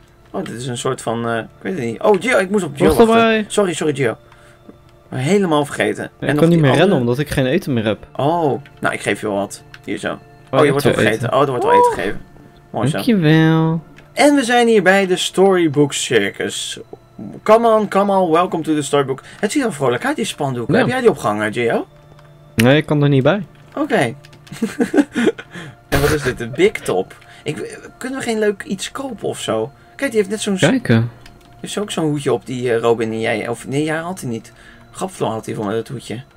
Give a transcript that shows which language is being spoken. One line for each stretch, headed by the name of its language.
Dutch: Oh, dit is een soort van... ik weet het niet. Oh, Gio, ik moest op Gio wachten. Sorry, Gio. Helemaal vergeten. Ja, ik kan niet meer rennen, omdat ik geen eten meer heb. Oh, nou, ik geef je wel wat. Hier zo. Oh, je wordt al vergeten. Oh, er wordt al eten gegeven. Mooi zo. Dankjewel. En we zijn hier bij de Storybook Circus.
English: Come on, welcome to the Storybook.
Dutch: Het ziet er vrolijk uit, die spandoek. Ja. Heb jij die opgehangen, Gio? Nee, ik kan er niet bij. Oké. Okay. En wat is dit? De Big Top. Kunnen we geen leuk iets kopen of zo? Kijk, die heeft net zo'n... Kijken. Heeft ze ook zo'n hoedje op, die Robin en jij? Of nee, jij had hij niet. Grapflow had hij van met het hoedje.